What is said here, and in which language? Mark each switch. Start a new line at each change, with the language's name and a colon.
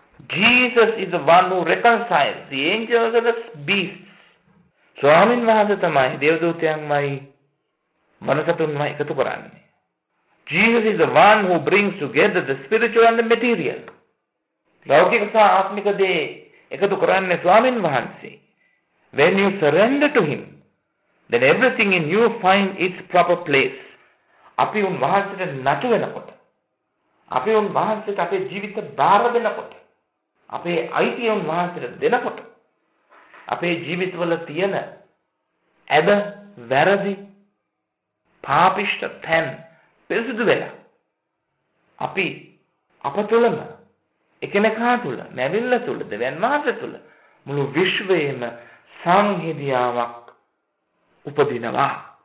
English: Jesus is the one who reconciles the angels and the beasts.
Sinhala: ස්වාමීන් වහන්සේ තමයි දේවදූතයන්මයි මනසතුන්මයි එකතු කරන්නේ.
English: Jesus is the one who brings together the spiritual and the material.
Sinhala: ලෞකික සහ ආත්මික දේ එකතු කරන්නේ ස්වාමීන් වහන්සේ.
English: When you surrender to him, then everything in you finds its proper place.
Sinhala: අපි උන්වහන්සේට නතු වෙනකොට, අපි උන්වහන්සේට අපේ ජීවිත බාර දෙනකොට, අපේ අයිතිය උන්වහන්සේට දෙනකොට, අපේ ජීවිතවල තියෙන ඇද වැරදි පාපිෂ්ට තැන් පිරිසිදු වෙලා, අපි අප තුළම එකිනෙකා තුළ, නැවිල්ල තුළ, දෙවියන් වහන්සේ තුළ, මුළු විශ්වයේම සංහිදියාවක් උපදිනවා.